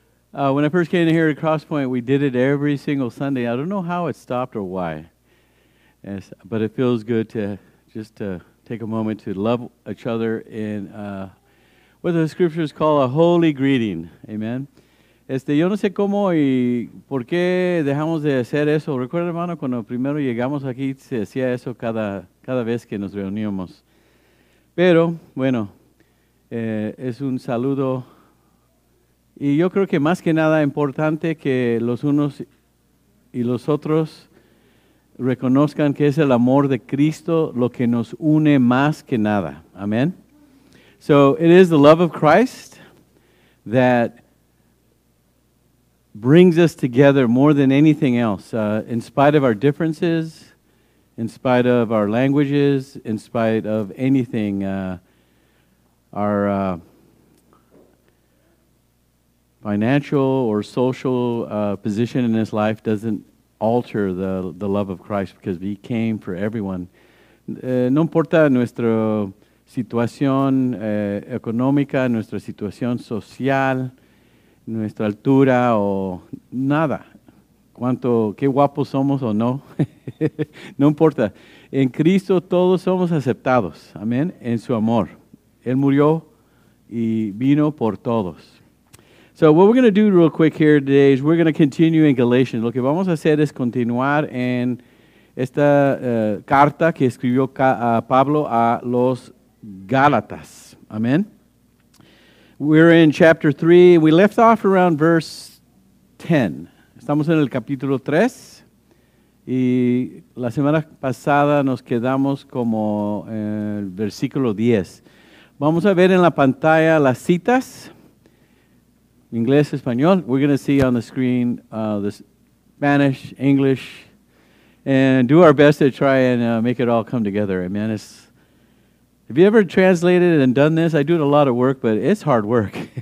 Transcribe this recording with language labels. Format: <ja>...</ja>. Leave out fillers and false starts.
<en>When I first came here at Crosspoint, we did it every single Sunday. I don't know how it stopped or why, but it feels good to just to take a moment to love each other in what the scriptures call a holy greeting. Amen.</en> <es>Yo no sé cómo y por qué dejamos de hacer eso. Recuerda, hermano, cuando primero llegamos aquí, se hacía eso cada vez que nos reuníamos. Pero, bueno, es un saludo. Y yo creo que más que nada importante que los unos y los otros reconozcan que es el amor de Cristo lo que nos une más que nada. Amén.</es> <en>So, it is the love of Christ that brings us together more than anything else. In spite of our differences, in spite of our languages, in spite of anything, our financial or social position in this life doesn't alter the love of Christ, because He came for everyone.</en> <es>No importa nuestra situación económica, nuestra situación social, nuestra altura o nada. Cuánto, qué guapos somos o no, no importa. En Cristo todos somos aceptados, amén, en su amor. Él murió y vino por todos.</es> <en>So what we're going to do real quick here today is we're going to continue in Galatians.</en> <es>Lo que vamos a hacer es continuar en esta carta que escribió Pablo a los Gálatas, amén.</es> <en>We're in chapter 3, we left off around verse 10.</en> <es>Estamos en el capítulo 3 y la semana pasada nos quedamos como en el versículo 10. Vamos a ver en la pantalla las citas, inglés, español.</es> <en>We're going to see on the screen the Spanish, English, and do our best to try and make it all come together. Amen. Have you ever translated and done this? I do a lot of work, but it's hard work.</en>